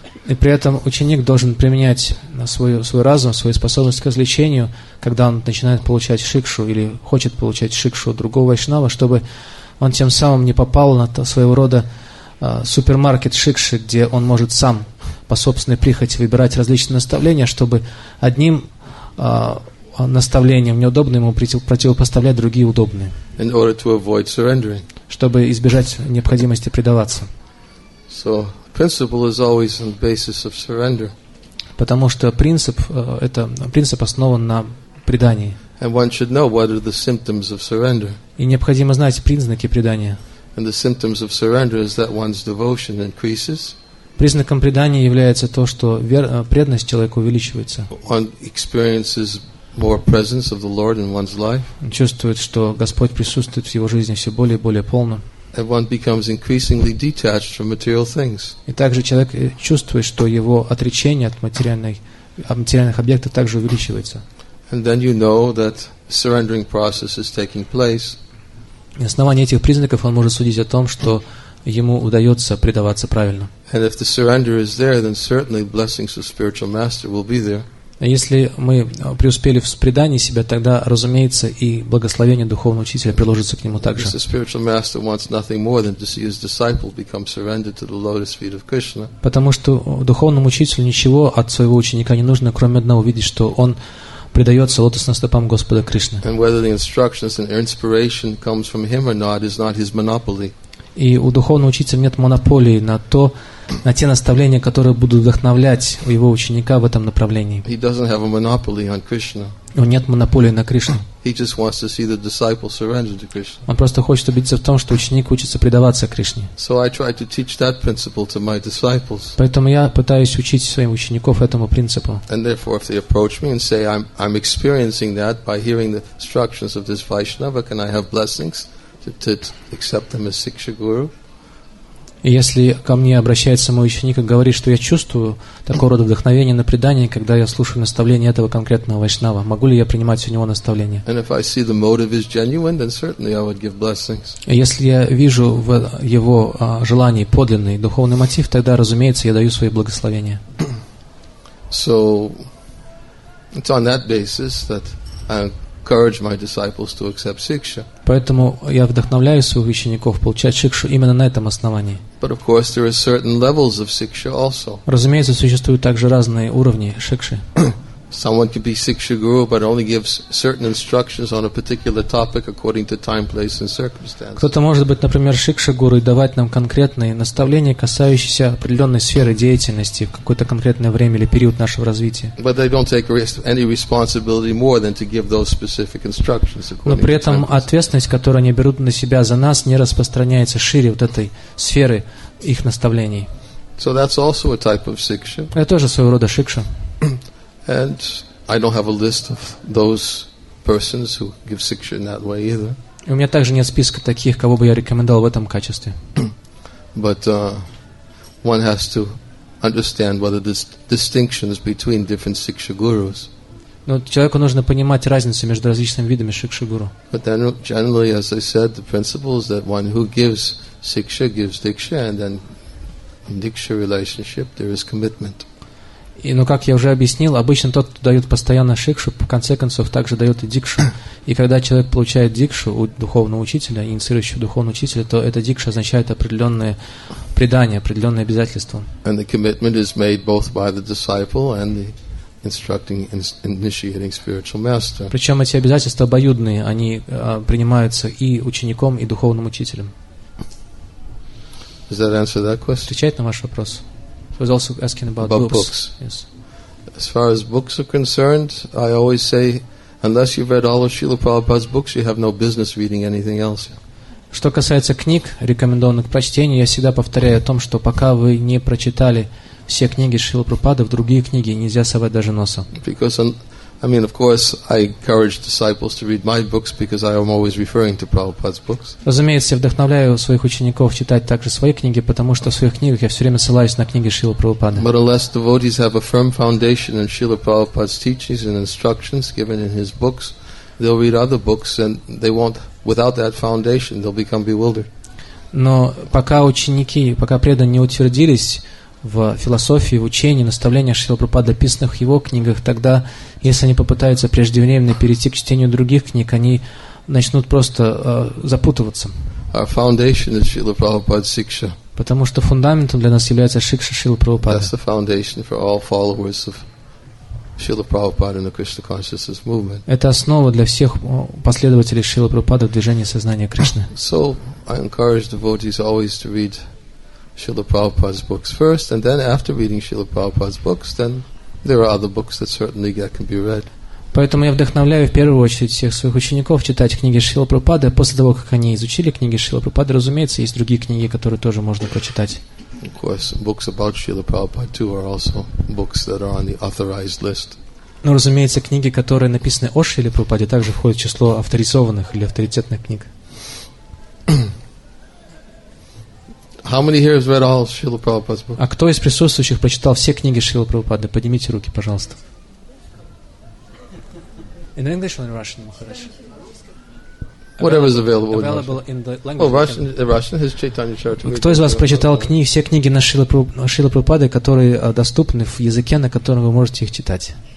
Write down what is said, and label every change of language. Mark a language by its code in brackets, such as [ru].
[ru] И при этом ученик должен применять свой разум, свою способность к развлечению, когда он начинает получать шикшу или хочет получать шикшу другого Вайшнава, чтобы он тем самым не попал на своего рода супермаркет шикши, где он может сам по собственной прихоти выбирать различные наставления, чтобы одним наставлением неудобно ему противопоставлять другие удобные. [en] In order to avoid surrendering. [ru] Чтобы избежать необходимости предаваться. [en] So, principle is always on the basis of surrender. [ru] Потому что принцип, это принцип основан на предании. [en] And one should know what are the symptoms of surrender. [ru] И необходимо знать признаки предания. [en] And the symptoms of surrender is that one's devotion increases. [ru] Признаком предания является то, что преданность человека увеличивается. [en] One experiences more presence of the Lord in one's life. [ru] Он чувствует, что Господь присутствует в его жизни все более и более полно. [en] And one becomes increasingly detached from material things. [ru] И также человек чувствует, что его отречение от материальных объектов также увеличивается. [en] And then you know that surrendering process is taking place. [ru] На основании этих признаков он может судить о том, что ему удается предаваться правильно. [en] And if the surrender is there, then certainly blessings of spiritual master will be there. [ru] Если мы преуспели в предании себя, тогда, разумеется, и благословение духовного учителя приложится к нему также. [en] The spiritual master wants nothing more than to see his disciple become surrendered to the lotus feet of Krishna. [ru] Потому что духовному учителю ничего от своего ученика не нужно, кроме одного, видеть, что он предается лотосным стопам Господа Кришны. [en] And whether the instructions and inspiration comes from him or not is not his monopoly. [ru] И у духовного учителя нет монополии на то, на те наставления, которые будут вдохновлять у его ученика в этом направлении. [en] He doesn't have a monopoly on Krishna. [ru] У него нет монополии на Кришну. [en] He just wants to see the disciple surrender to Krishna. [ru] Он просто хочет убедиться в том, что ученик учится предаваться Кришне. [en] So I try to teach that principle to my disciples. [ru] Поэтому я пытаюсь учить своих учеников этому принципу. [en] And therefore, if they approach me and say, I'm experiencing that by hearing the instructions of this Vaishnava, can I have blessings to accept them as siksha guru? [ru] Если ко мне обращается мой ученик и говорит, что я чувствую такого рода вдохновение на предание, когда я слушаю наставление этого конкретного вайшнава, могу ли я принимать у него наставление? [en] And if I see the motive is genuine, then certainly I would give blessings. [ru] Если я вижу в его желании подлинный духовный мотив, тогда, разумеется, я даю свои благословения. [en] So it's on that basis that encourage my disciples to accept siksha. [ru] Поэтому я вдохновляю своих учеников получать шикшу именно на этом основании. [en] But of course there are certain levels of siksha also. [ru] Разумеется, существуют также разные уровни шикши. [en] Someone could be siksha guru but only gives certain instructions on a particular topic according to time, place and circumstances. [ru] Кто-то может быть, например, шикша гуру и давать нам конкретные наставления, касающиеся определенной сферы деятельности в какое-то конкретное время или период нашего развития. [en] But they don't take any responsibility more than to give those specific instructions according to time. [ru] Но при этом ответственность, которую они берут на себя за нас, не распространяется шире вот этой сферы их наставлений. [en] So that's also a type of siksha. [ru] Это тоже своего рода шикша. [en] And I don't have a list of those persons who give siksha in that way either. [ru] И у меня также нет списка таких, кого бы я рекомендовал в этом качестве. [en] But one has to understand whether there's distinctions between different siksha gurus. [ru] Но человеку нужно понимать разницу между различными видами шикшигуру. [en] But then, generally, as I said, the principle is that one who gives siksha gives diksha, and then in diksha relationship there is commitment. [ru] И, ну, как я уже объяснил, обычно тот, кто дает постоянно шикшу, в конце концов также дает и дикшу. И когда человек получает дикшу у духовного учителя, инициирующего духовного учителя, то эта дикша означает определенное предание, определенное обязательство. [en] And the commitment is made both by the disciple and the instructing initiating spiritual master. [ru] Причем эти обязательства обоюдные, они принимаются и учеником, и духовным учителем. [en] Does that answer that question? [ru] Отвечает на ваш вопрос. [en] I was also asking about books. Books. Yes. As far as books are concerned, I always say, unless you've read all of Srila Prabhupada's books, you have no business reading anything else. [ru] Что касается книг, рекомендованных к прочтению, я всегда повторяю о том, что пока вы не прочитали все книги Шрилы Прабхупады, в другие книги нельзя совать даже носа. [en] Because I mean, of course, I encourage disciples to read my books because I am always referring to Prabhupada's books. [ru] Разумеется, я вдохновляю своих учеников читать также свои книги, потому что в своих книгах я все время ссылаюсь на книги Шрилы Прабхупады. [en] But unless devotees have a firm foundation in Srila Prabhupada's teachings and instructions given in his books, they'll read other books and they won't, without that foundation, they'll become bewildered. [ru] Но пока ученики, пока преданные не утвердились в философии, в учении, наставления Шрилы Прабхупады, описанных в его книгах, тогда, если они попытаются преждевременно перейти к чтению других книг, они начнут просто запутываться. [en] Our foundation is Srila Prabhupada's siksha. [ru] Потому что фундаментом для нас является шикша Шрилы Прабхупады. [en] That's the foundation for all followers of Srila Prabhupada in the Krishna Consciousness Movement. [ru] Это основа для всех последователей Шрилы Прабхупады в движении сознания Кришны. [en] So, I encourage devotees always to read Srila Prabhupada's books first, and then after reading Srila Prabhupada's books, then there are other books that certainly that can be read. [ru] Поэтому я вдохновляю в первую очередь всех своих учеников читать книги Шрилы Прабхупады. После того, как они изучили книги Шрилы Прабхупады, разумеется, есть другие книги, которые тоже можно прочитать. [en] Of course, books about Srila Prabhupada too are also books that are on the authorized list. [ru] Но, разумеется, книги, которые написаны о Шриле Прабхупаде, также входят в число авторизованных или авторитетных книг. [en] How many here have read all of Srila Prabhupada's books? [ru] А кто из присутствующих прочитал все книги Шрилы Прабхупады? Поднимите руки, пожалуйста. [en] In English or in Russian, Maharaj? Whatever is available. Available in the language. Oh, Russian. Russian has Chaitanya Charitamrita. [ru] Кто из вас прочитал книги, все книги на Шрилы Прабхупады, которые доступны в языке, на котором вы можете их читать?